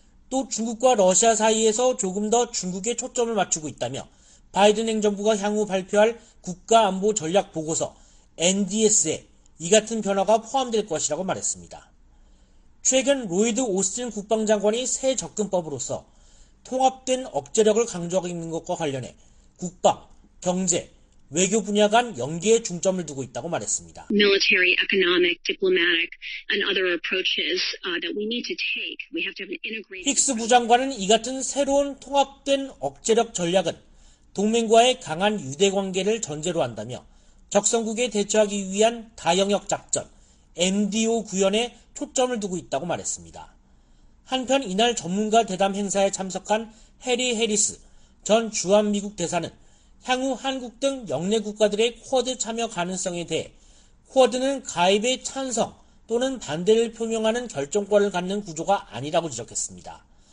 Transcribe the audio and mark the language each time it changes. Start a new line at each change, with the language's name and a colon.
Korean: 또 중국과 러시아 사이에서 조금 더 중국에 초점을 맞추고 있다며 바이든 행정부가 향후 발표할 국가안보전략보고서 NDS에 이 같은 변화가 포함될 것이라고 말했습니다. 최근 로이드 오스틴 국방장관이 새 접근법으로서 통합된 억제력을 강조하고 있는 것과 관련해 국방, 경제, 외교 분야 간 연계에 중점을 두고 있다고 말했습니다.
English: Military, economic, diplomatic, and other approaches that we need to take. We have to have an integrated.
Korean: 힉스 부장관은 이 같은 새로운 통합된 억제력 전략은 동맹과의 강한 유대 관계를 전제로 한다며 적성국에 대처하기 위한 다영역 작전 MDO 구현에 초점을 두고 있다고 말했습니다. 한편 이날 전문가 대담 행사에 참석한 해리 해리스 전 주한 미국 대사는 향후 한국 등 역내 국가들의 쿼드 참여 가능성에 대해 쿼드는 가입에 찬성 또는 반대를 표명하는 결정권을 갖는 구조가 아니라고 지적했습니다.